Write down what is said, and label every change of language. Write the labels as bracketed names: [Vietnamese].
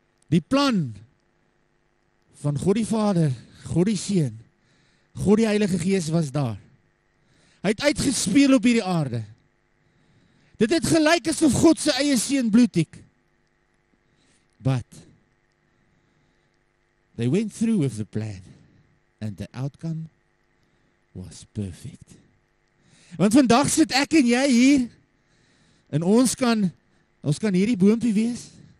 [Afrikaans] Die plan van God die Vader, God die Seun, God die Heilige Gees was daar. Hy het uitgespeel op hierdie aarde. Dit het gelyk asof God sy eie Seun bloedtiek. [English] But they went through with the plan and the outcome was perfect. [Afrikaans] Want vandag sit ek en jy hier en ons kan hierdie boompie wees.